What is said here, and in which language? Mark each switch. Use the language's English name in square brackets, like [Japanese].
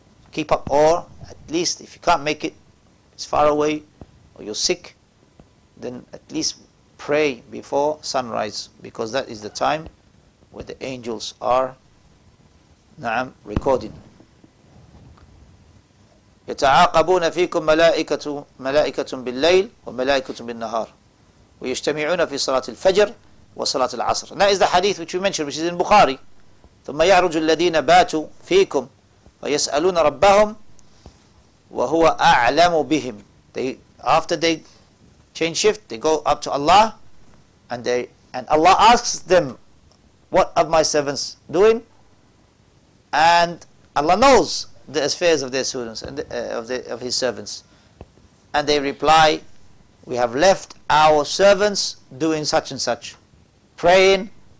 [English] Keep up, or at least if you can't make it, it's far away, or you're sick, then at least pray before sunrise, because that is the time where the angels are na'am recording. [Arabic] يتعاقبون فيكم ملائكة بالليل وملائكة بالنهار ويجتمعون في صلاة الفجر وصلاة العصر. [English] And that is the hadith which we mentioned, which is in Bukhari. [Arabic] ثم يعرج الذين باتوا فيكم ويسألون ربهم وهو أعلم بهم. [English] They, after they change shift, they go up to Allah, and Allah asks them, what are my servants doing? And Allah knows the affairs of their students and of his servants. And they reply, we have left our servants doing such and such, praying.